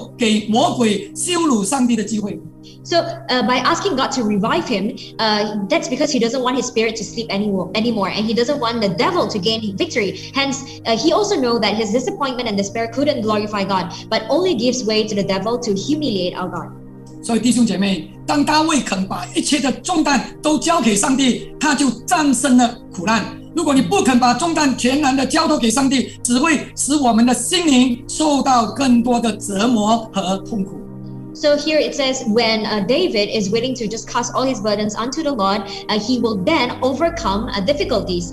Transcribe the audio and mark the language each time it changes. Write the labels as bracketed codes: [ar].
[zh] 他要上帝复兴他，以至于他的灵性不再沉睡下去，他不要让魔鬼得胜，他知道自己灰心绝望，不能够荣耀上帝，只能够给魔鬼羞辱上帝的机会。 [en] So by asking God to revive him, that's because he doesn't want his spirit to sleep anymore, and he doesn't want the devil to gain victory. Hence, he also knows that his disappointment and despair couldn't glorify God, but only gives way to the devil to humiliate our God. [zh] 所以弟兄姐妹，当大卫肯把一切的重担都交给上帝，他就战胜了苦难。如果你不肯把重担全然的交托给上帝，只会使我们的心灵受到更多的折磨和痛苦。 [en] So here it says, when David is willing to just cast all his burdens unto the Lord, he will then overcome difficulties.